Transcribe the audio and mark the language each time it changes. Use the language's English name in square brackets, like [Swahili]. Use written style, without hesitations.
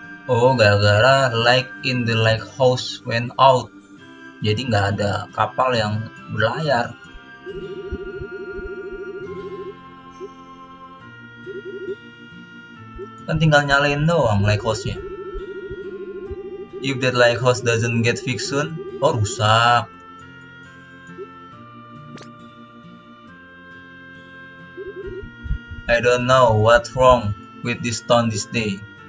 [English] Oh, [Indonesian] gara-gara [English] light in the lighthouse went out. [Indonesian] Jadi nggak ada kapal yang berlayar. Kan tinggal nyalain doang lighthouse-nya. [English] If that lighthouse doesn't get fixed soon, [Indonesian] oh rusak. [English] I don't know what's wrong with this town this day.